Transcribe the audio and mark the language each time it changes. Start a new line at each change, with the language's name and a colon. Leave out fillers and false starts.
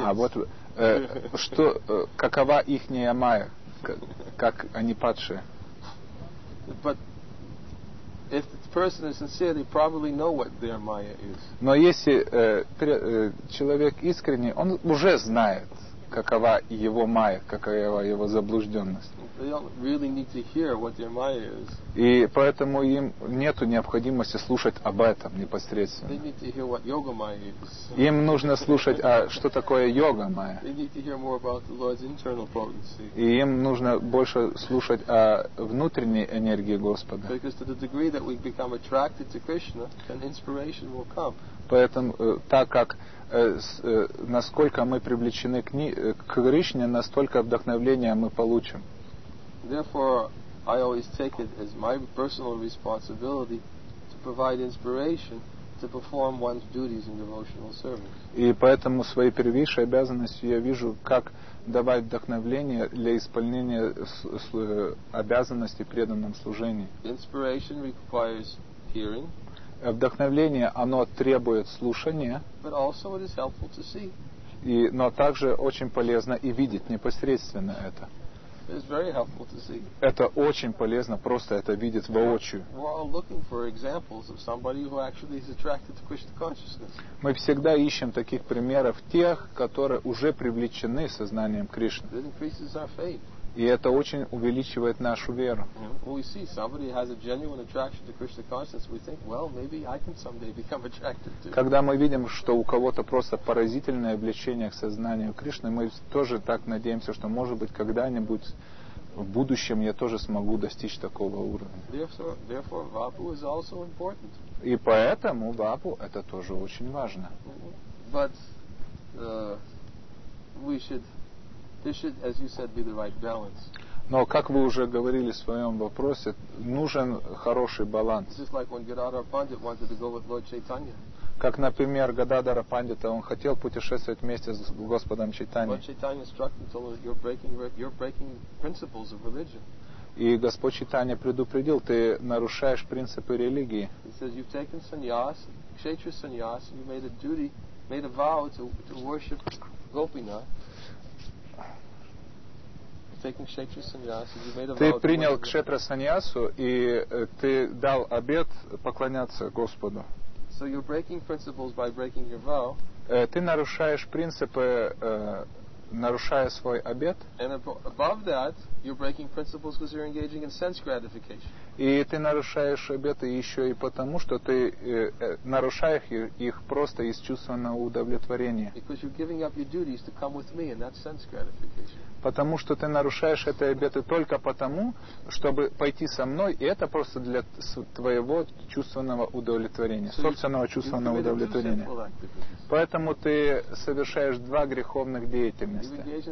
Russian: А вот что, какова ихняя Майя, как они падшие?
English: But if the person is sincere, they probably know what their Maya is.
Russian: Но если человек искренний, он уже знает, какова его Майя, какова его заблужденность.
English: They don't really need to hear what their Maya is.
Russian: И поэтому им нету необходимости слушать об этом непосредственно.
English: They need to hear what yoga maya is.
Russian: Им нужно слушать, а что такое йога майя.
English: They need to hear more about the Lord's internal potency.
Russian: И им нужно больше слушать о внутренней энергии Господа.
English: Because to the degree that we become attracted to Krishna, then inspiration will come.
Russian: Поэтому так как насколько мы привлечены к Кришне, настолько вдохновения мы получим.
English: Therefore, I always take it as my personal responsibility to provide inspiration to perform one's duties in devotional service.
Russian: И поэтому своей первейшей обязанностью я вижу, как давать вдохновение для исполнения обязанностей в преданном служении.
English: Inspiration requires hearing.
Russian: Вдохновение, оно требует слушания.
English: But also it is helpful to see.
Russian: Но также очень полезно и видеть непосредственно это.
English: It's very helpful to see.
Russian: Это очень полезно просто это видеть воочию.
English: We're all looking for examples of somebody who actually is attracted to Krishna consciousness.
Russian: Мы всегда ищем таких примеров тех, которые уже привлечены сознанием Кришны.
English: It increases our faith.
Russian: И это очень увеличивает нашу веру.
English: When we see somebody has a genuine attraction to Krishna consciousness, we think, well, maybe I can someday become attracted to.
Russian: Когда мы видим, что у кого-то просто поразительное влечение к сознанию Кришны, мы тоже так надеемся, что может быть когда-нибудь в будущем я тоже смогу достичь такого уровня.
English: Therefore, Vapu is also important.
Russian: И поэтому Вапу это тоже очень важно.
English: But we should. This should, as you said, be the right balance.
Russian: Но как вы уже говорили в своем вопросе, нужен хороший баланс.
English: Just like when Gadadhara Pandit wanted to go with Lord Chaitanya.
Russian: Как, например, Гададара Пандита, он хотел путешествовать вместе с Господом Чайтаньей.
English: Lord Chaitanya struck and told him, you're breaking principles of religion.
Russian: И Господь Чайтанья предупредил, ты нарушаешь принципы религии.
English: He says, you've taken sannyas, kshetra sannyas, and you made a vow to worship Gopina.
Russian: Ты принял кшетра саньясу и ты дал обет поклоняться Господу.
English: So you're breaking principles by breaking your vow.
Russian: Ты нарушаешь принципы, нарушая свой обет.
English: And above that, you're breaking principles because you're engaging in sense gratification.
Russian: И ты нарушаешь обеты еще и потому, что ты нарушаешь их просто из чувственного удовлетворения.
English: Because you're giving up your duties to come with me, and that's sense gratification.
Russian: Потому что ты нарушаешь эти обеты только потому, чтобы пойти со мной, и это просто для твоего чувственного удовлетворения, собственного чувственного удовлетворения. Поэтому ты совершаешь два греховных деятельности.